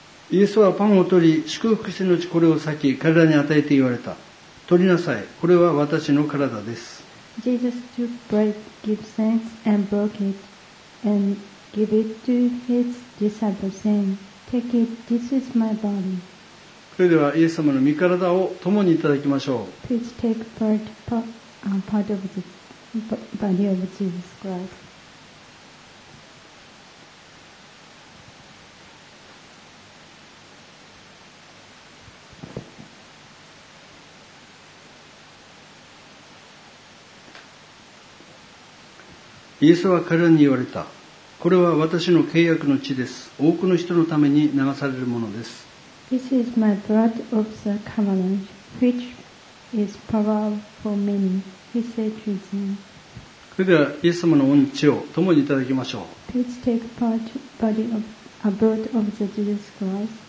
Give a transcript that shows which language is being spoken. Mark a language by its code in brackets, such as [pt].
[ja] イエスはパンを取り、祝福しのちこれを裂き、彼らに与えて言われた。取りなさい、これは私の体です。 [en] Jesus took bread, gave thanks, and broke it, and gave it to his disciples, saying, Take it, this is my body. [ja] それではイエス様の御体を共にいただきましょう。 [en] Please take part of the body of Jesus Christ. [ja] イエスは彼らに言われた。これは私の契約の血です。多くの人のために流されるものです。 [en] This is my blood of the covenant, which is poured for many. He said to them. [ja] それではイエス様の御血を共にいただきましょう。 [en] Please take part body of a blood of the Jesus Christ.